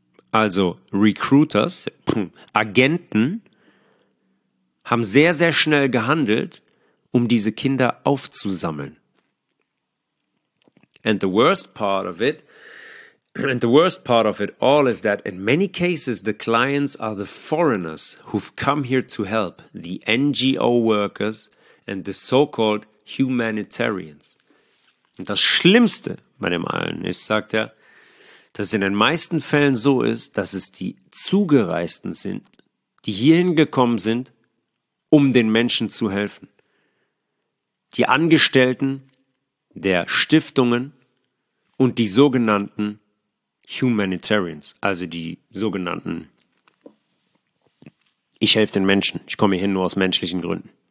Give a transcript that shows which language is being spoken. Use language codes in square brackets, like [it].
[de] Also recruiters, Agenten, haben sehr, sehr schnell gehandelt, um diese Kinder aufzusammeln. [en] And the worst part of it, is that in many cases the clients are the foreigners who've come here to help, the NGO workers and the so-called humanitarians. [de] Und das Schlimmste bei dem allen ist, sagt er, dass es in den meisten Fällen so ist, dass es die Zugereisten sind, die hierhin gekommen sind, um den Menschen zu helfen. Die Angestellten der Stiftungen und die sogenannten Humanitarians, also die sogenannten, ich helfe den Menschen, ich komme hier nur aus menschlichen Gründen.